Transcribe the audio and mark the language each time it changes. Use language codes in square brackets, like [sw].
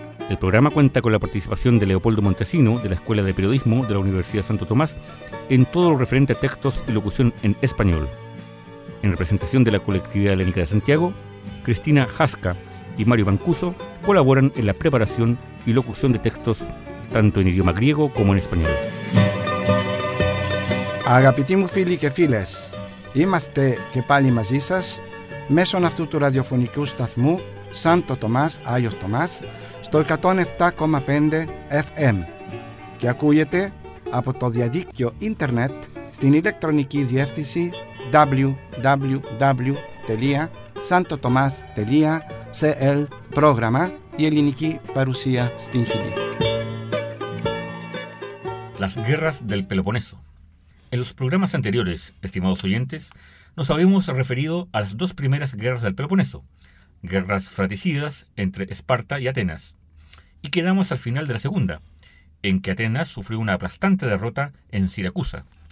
[es] El programa cuenta con la participación de Leopoldo Montesino, de la Escuela de Periodismo de la Universidad Santo Tomás, en todo lo referente a textos y locución en español. En representación de la Colectividad Helénica de Santiago, Cristina Jasca y Mario Mancuso colaboran en la preparación y locución de textos, tanto en idioma griego como en español. [el] Αγαπητοί φίλοι και φίλες, είμαστε και πάλι μαζί σας μέσω αυτού του ραδιοφωνικού σταθμού Σάντο Τομάς, Άγιος Τομάς, στο 107,5 FM και ακούγεται από το διαδίκτυο ίντερνετ στην ηλεκτρονική διεύθυνση www.santotomas.cl πρόγραμμα η ελληνική παρουσία στην Χιλή. [es] Las guerras del Peloponeso. En los programas anteriores, estimados oyentes, nos habíamos referido a las dos primeras guerras del Peloponeso, guerras fratricidas entre Esparta y Atenas, y quedamos al final de la segunda, en que Atenas sufrió una aplastante derrota en Siracusa.